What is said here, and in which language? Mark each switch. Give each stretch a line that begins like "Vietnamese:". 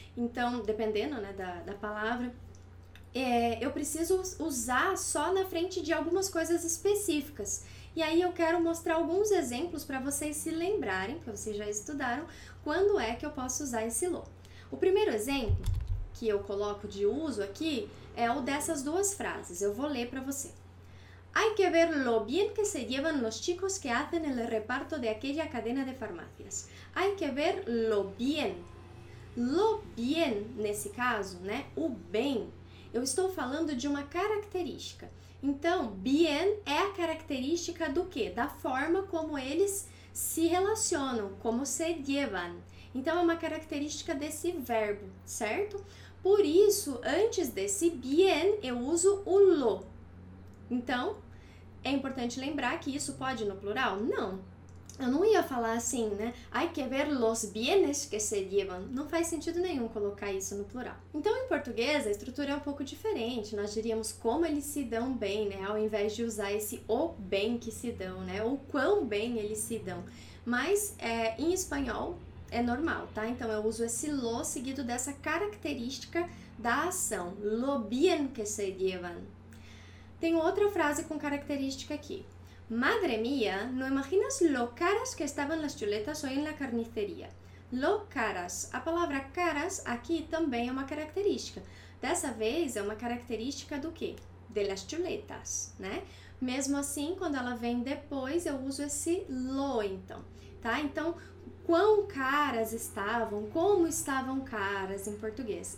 Portuguese: Então, dependendo, né, da palavra. Eu preciso usar só na frente de algumas coisas específicas. E aí eu quero mostrar alguns exemplos para vocês se lembrarem, porque vocês já estudaram, quando é que eu posso usar esse lo. O primeiro exemplo que eu coloco de uso aqui é o dessas duas frases. Eu vou ler para você.
Spanish: Hay que ver lo bien que se llevan los chicos que hacen el reparto de aquella cadena de farmacias. Hay que ver lo bien. Lo bien,
Portuguese: nesse caso, né, o bem. Eu estou falando de uma característica. Então, bien é a característica do quê? Da forma como eles se relacionam,
Spanish: como se llevan.
Portuguese: Então, é uma característica desse verbo, certo? Por isso, antes desse bien, eu uso o lo. Então, é importante lembrar que isso pode no plural? Não. Eu não ia falar assim, né?
Spanish: Hay que ver los bienes que se llevan.
Portuguese: Não faz sentido nenhum colocar isso no plural. Então, em português, a estrutura é um pouco diferente. Nós diríamos como eles se dão bem, né? Ao invés de usar esse o bem que se dão, né? O quão bem eles se dão. Mas, em espanhol, é normal, tá? Então, eu uso esse lo seguido dessa característica da ação.
Spanish: Lo bien que se llevan.
Portuguese: Tem outra frase com característica aqui.
Spanish: Madre mía, no imaginas lo caras que estaban las chuletas hoy en la carnicería. Lo caras.
Portuguese: A palavra caras aqui também é uma característica. Dessa vez, é uma característica do quê?
Spanish: De las chuletas,
Portuguese: né? Mesmo assim, quando ela vem depois, eu uso esse lo, então. Tá? Então, quão caras estavam, como estavam caras em português.